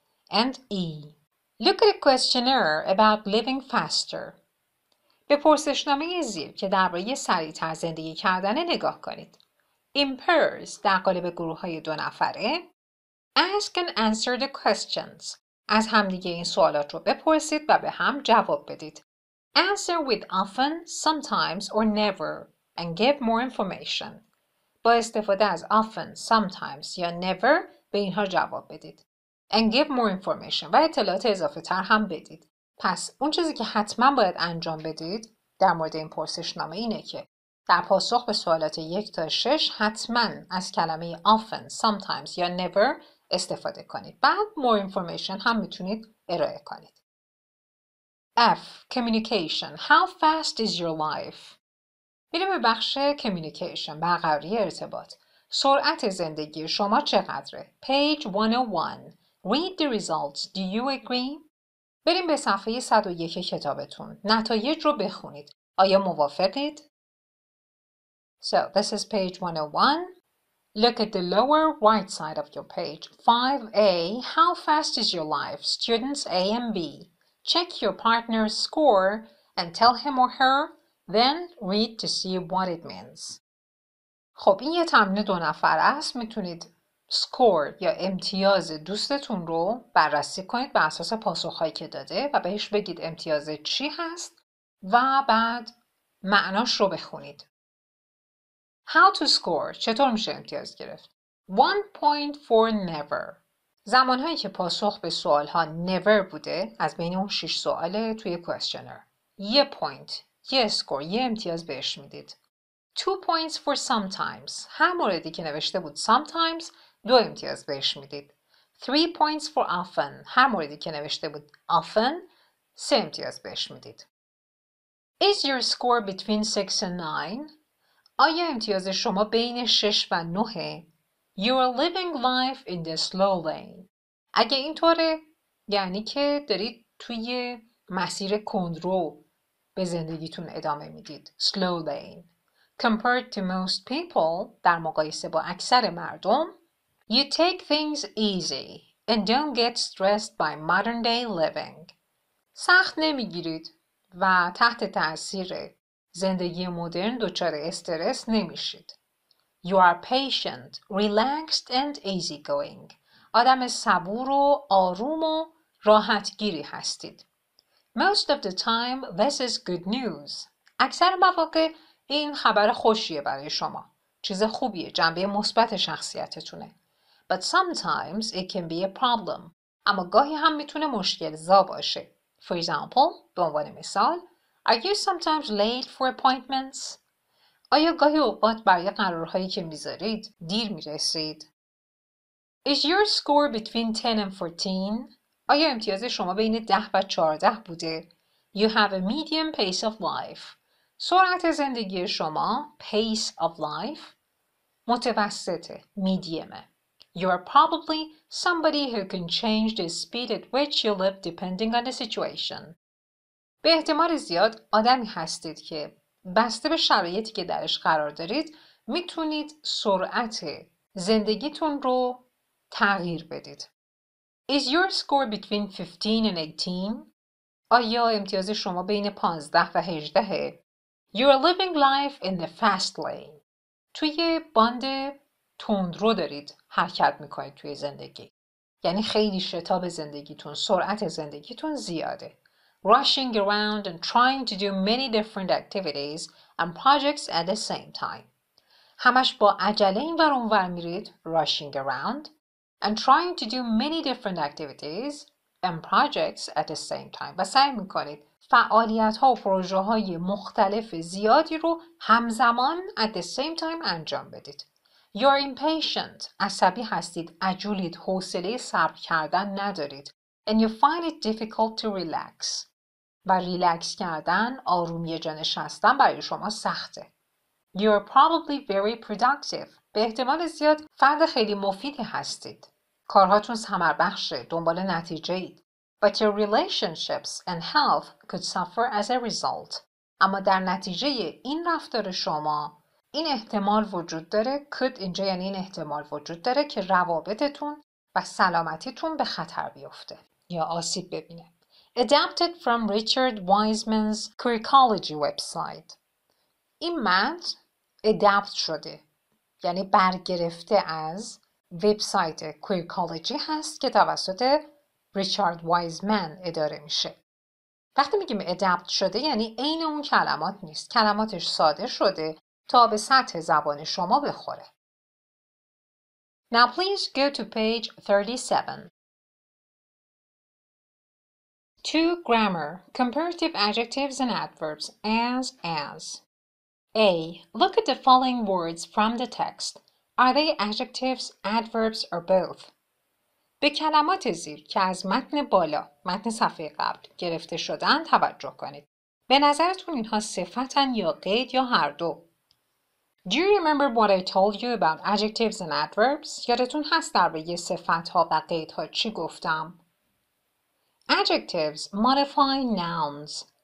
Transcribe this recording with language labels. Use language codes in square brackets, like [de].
[en] And E. Look at a questionnaire about living faster. [fa] به پرسشنامه زیر که درباره سریع‌تر زندگی کردن نگاه کنید. [en] In pairs [fa] در قالب گروه‌های دو نفره. [en] Ask and answer the questions. [fa] از همدیگه این سوالات رو بپرسید و به هم جواب بدید. [en] Answer with often, sometimes or never and give more information. [fa] با استفاده از often, sometimes یا never به اینها جواب بدید. [en] And give more information [fa] و اطلاعات اضافه تر هم بدید. پس اون چیزی که حتما باید انجام بدید در مورد این پرسشنامه اینه که در پاسخ به سوالات 1 تا 6 حتما از کلمه often, sometimes یا never استفاده کنید. بعد more information هم میتونید ارائه کنید. [en] F. Communication. How fast is your life? [fa] میریم به بخش communication، برقراری ارتباط. سرعت زندگی شما چقدره؟ [en] Page 101. Read the results. Do you agree? [fa] بریم به صفحه 101 کتابتون. نتایج رو بخونید. آیا موافقید؟ [en] So, this is page 101. Look at the lower right side of your page. 5A, how fast is your life? Students A and B. Check your partner's score and tell him or her, then read to see what it means. [fa] خب این یه تمرین دو نفره است. میتونید score یا امتیاز دوستتون رو بررسی کنید بر اساس پاسخهایی که داده و بهش بگید امتیاز چی هست و بعد معناش رو بخونید. [en] How to score؟ [fa] چطور میشه امتیاز گرفت؟ 1.4 never. زمانهایی که پاسخ به سوالها never بوده از بین اون 6 سواله توی questioner. یه point، یه score، یه امتیاز بهش میدید. [en] 2 points for sometimes. [fa] هر موردی که نوشته بود sometimes، دو امتیاز بهش میدید. [en] 3 points for often. [fa] هر موردی که نوشته بود often، سه امتیاز بهش میدید. [en] Is your score between 6 and 9؟ [fa] آیا امتیاز شما بین 6 و 9؟ [en] You are living life in the slow lane. [fa] اگه اینطوره یعنی که دارید توی مسیر کندرو به زندگیتون ادامه میدید. [en] Slow lane. Compared to most people, [fa] در مقایسه با اکثر مردم, [en] you take things easy and don't get stressed by modern day living. [fa] سخت نمیگیرید و تحت تأثیر زندگی مدرن دچار استرس نمیشید. [en] You are patient, relaxed and easy going. [fa] آدم صبور و آروم و راحت گیری هستید. [en] Most of the time this is good news. [fa] اکثر مواقع این خبر خوشیه برای شما. چیز خوبیه، جنبه مثبت شخصیتتونه. [en] But sometimes it can be a problem. [fa] اما گاهی هم میتونه مشکل زا باشه. [en] For example, [fa] به عنوان مثال، [en] Are you sometimes late for appointments? [fa] آیا گاهی اوقات برای قرارهایی که میذارید دیر میرسید؟ [en] Is your score between 10 and 14? [fa] آیا امتیاز شما بین 10 و 14 بوده؟ [en] You have a medium pace of life. [fa] سرعت زندگی شما, [en] pace of life, [fa] متوسطه, mediumه. [en] You are probably somebody who can change the speed at which you live depending on the situation. [fa] به احتمال زیاد آدمی هستید که بسته به شرایطی که درش قرار دارید میتونید سرعت زندگیتون رو تغییر بدید. [en] Is your score between 15 and 18? [fa] آیا امتیاز شما بین 15 و 18 هه؟ [en] You are living life in the fast lane. [fa] توی باند تندرو دارید حرکت میکنید توی زندگی. یعنی خیلی شتاب زندگیتون، سرعت زندگیتون زیاده. [en] Rushing around and trying to do many different activities and projects at the same time. [fa] همش با عجله این ور اون ور میرید. [en] Rushing around and trying to do many different activities and projects at the same time. [fa] و سعی میکنید فعالیت ها و پروژه های مختلف زیادی رو همزمان at the same time انجام بدید. [en] You are impatient. [fa] عصبی هستید. عجولید. حوصله صبر کردن ندارید. [en] And you find it difficult to relax. [fa] و ریلکس کردن، آرومی جا نشستن برای شما سخته. [en] You are probably very productive. [fa] به احتمال زیاد فرد خیلی مفیدی هستید. کارهاتون ثمر بخشه، دنبال نتیجه اید. [en] But your relationships and health could suffer as a result. [fa] اما در نتیجه این رفتار شما، این احتمال وجود داره، could اینجا یعنی این احتمال وجود داره که روابطتون و سلامتیتون به خطر بیفته یا آسیب ببینه. [en] Adapted from Richard Wiseman's Curricology website. [fa] این متن adapt شده، یعنی برگرفته از وبسایت Curricology هست که توسط ریچارد وایزمن اداره میشه. وقتی میگیم adapt شده یعنی عین اون کلمات نیست. کلماتش ساده شده تا به سطح زبان شما بخوره. [en] Now please go to page 37. Two grammar, comparative adjectives and adverbs, as. A. Look at the following words from the text. Are they adjectives, adverbs, or both? [fa] به کلمات زیر که از متن بالا، متن صفحه قبل گرفته شدن توجه کنید. به نظرتون اینها صفتن یا قید یا هر دو؟ [en] Do you remember what I told you about adjectives and adverbs? [fa] یادتون هست در بگی صفتها و قیدها چی گفتم؟ [en] Adjectives modify nouns.